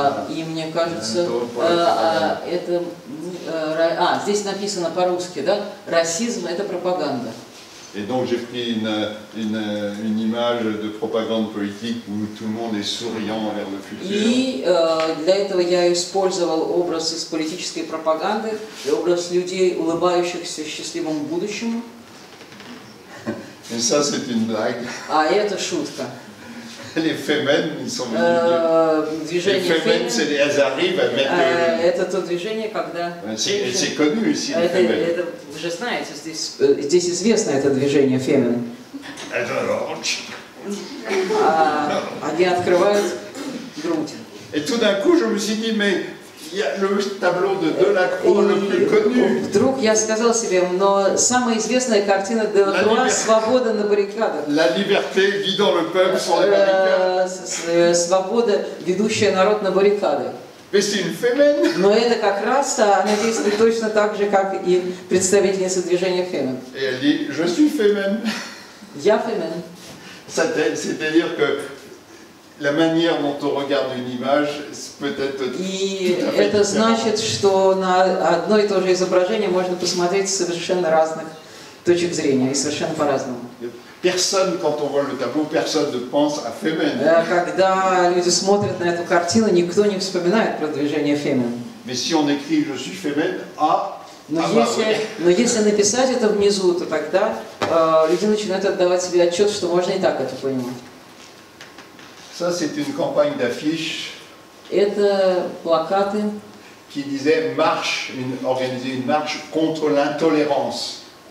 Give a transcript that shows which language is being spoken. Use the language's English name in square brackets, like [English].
[Russian] И мне кажется, это здесь написано по-русски, да? Расизм – это пропаганда. [French] Et donc j'ai pris une image de propagande politique où tout le monde est souriant vers le futur. [Russian] И для этого я использовал образ из политической пропаганды, образ людей, улыбающихся счастливому будущему. [French] Et ça c'est une blague. [Russian] А это шутка. [French] Les femmes, ils sont [Russian] Движение [French] les femmes, femmes c'est, elles arrivent à mettre. [Russian] Это то движение, когда. [French] C'est connu ici. [Russian] Вы же знаете, здесь известно это движение «Фемин». Это ротч. Они открывают грудь. И тут [French] d'un coup, je me suis dit, mais le tableau de Delacroix le plus connu. [Russian] Вдруг я сказал себе, но самая известная картина Делакруа «Свобода на баррикадах». [French] La liberté guidant le peuple sur les barricades. [Russian] Свобода, ведущая народ на баррикады. Но это как раз она действует точно так же, как и представительница движения Фемен. [French] Je suis Фемен. [Russian] Я Фемен. [French] C'est-à-dire que la manière dont on regarde une image peut-être. [Russian] И это значит, что на одно и то же изображение можно посмотреть совершенно разных точек зрения и совершенно по-разному. [French] Personne, quand on voit le tableau, personne ne pense à Фемен. [Russian] Когда люди смотрят на эту картину, никто не вспоминает про движение Фемен. [French] Mais si on écrit «Je suis Фемен», [Russian] но если написать это внизу, то тогда люди начинают отдавать себе отчет, что можно и так это понимать. [French] Ça, c'est une campagne d'affiche. [Russian] Это плакаты. [French] Qui disait «Marche», organiser une marche contre l'intolérance.